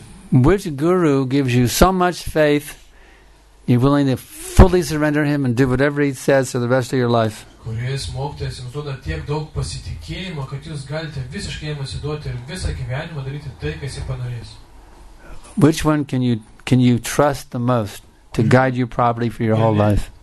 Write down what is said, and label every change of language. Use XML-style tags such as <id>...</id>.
<en>Which guru gives you so much faith you're willing to fully surrender him and do whatever he says for the rest of your life?</en> <lt>Kuris mokytojas jums duoda tiek daug pasitikėjimo, kad jūs galite visiškai jam atsiduoti ir visą gyvenimą daryti tai, kas jį panorės.</lt> <en>Which one can you trust the most to guide you properly for your whole life?</en>